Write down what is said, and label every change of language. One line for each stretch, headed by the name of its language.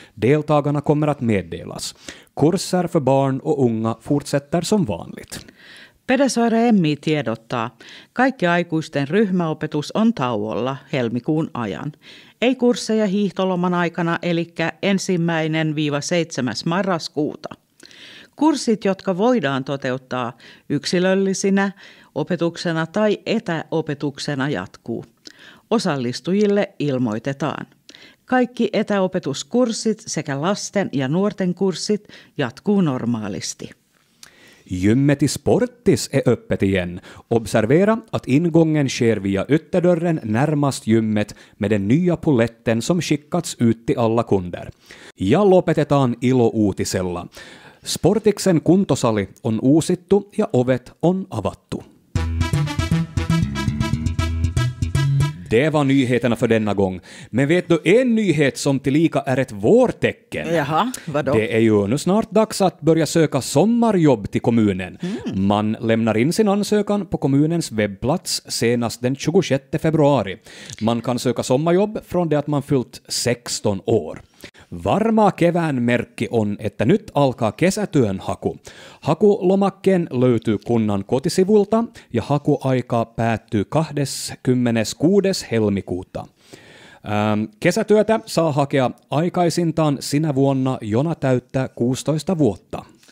Swedish: Deltagarna kommer att meddelas. Kurser för barn och unga fortsätter som vanligt.
Finnish: Pedersöre MI tiedottaa, kaikki aikuisten ryhmäopetus on tauolla helmikuun ajan. Ei kursseja hiihtoloman aikana, eli 1-7 marraskuuta. Kurssit, jotka voidaan toteuttaa yksilöllisinä opetuksena tai etäopetuksena, jatkuu. Osallistujille ilmoitetaan. Kaikki etäopetuskurssit sekä lasten ja nuorten kurssit jatkuu normaalisti.
Swedish: Gymmet i Sportis är öppet igen. Observera att ingången sker via ytterdörren närmast gymmet med den nya poletten som skickats ut till alla kunder.
Finnish: Ja lopetetaan ilouutisella. Sportiksen kuntosali on uusittu ja ovet on avattu.
Swedish: Det var nyheterna för denna gång. Men vet du en nyhet som tillika är ett vårtecken? Jaha, vadå? Det är ju nu snart dags att börja söka sommarjobb till kommunen. Mm. Man lämnar in sin ansökan på kommunens webbplats senast den 26 februari. Man kan söka sommarjobb från det att man fyllt 16 år.
Finnish: Varmaa kevään merkki on, että nyt alkaa kesätyön haku. Hakulomakkeen löytyy kunnan kotisivulta ja hakuaika päättyy 26. helmikuuta. Kesätyötä saa hakea aikaisintaan sinä vuonna, jona täyttää 16 vuotta.